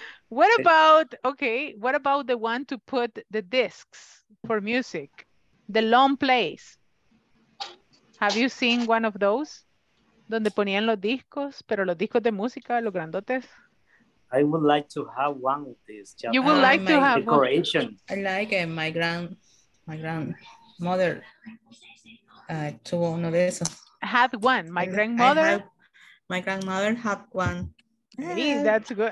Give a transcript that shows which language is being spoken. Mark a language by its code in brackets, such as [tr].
[en] What about, okay, what about the one to put the discs for music? The long plays. Have you seen one of those? [es] Donde ponían los discos, pero los discos de música, los grandotes. [en] I would like to have one of these. You would like to have decoration. I like it. My grandmother [es] tuvo uno de esos. [en] Had one. My grandmother had one. Hey, that's good.